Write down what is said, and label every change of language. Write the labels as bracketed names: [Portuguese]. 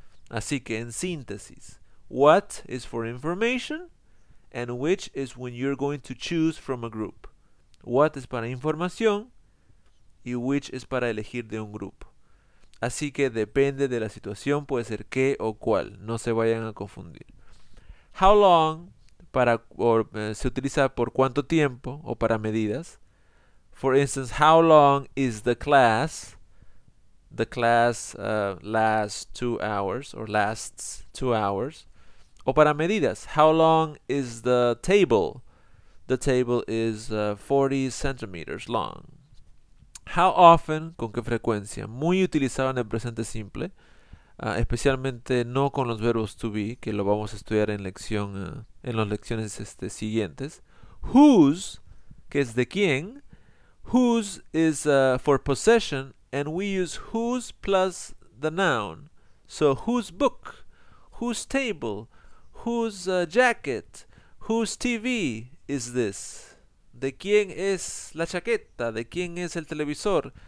[Spanish] Así que, en síntesis, [English] what is for information, and which is when you're going to choose from a group. [Spanish] What is para información, y which is para elegir de un grupo. Así que, depende de la situación, puede ser qué o cuál. No se vayan a confundir. How long, se utiliza por cuánto tiempo, o para medidas. [English] For instance, how long is the class? The class lasts 2 hours or lasts 2 hours. [Spanish] O para medidas, [English] how long is the table? The table is 40 centimeters long. [Spanish] How often, con qué frecuencia? Muy utilizado en el presente simple, especialmente no con los verbos to be, que lo vamos a estudiar en lección en las lecciones siguientes. Whose, que es de quién. [English] Whose is for possession, and we use whose plus the noun. So whose book, whose table, whose jacket, whose TV is this? [Spanish] ¿De quién es la chaqueta? ¿De quién es el televisor?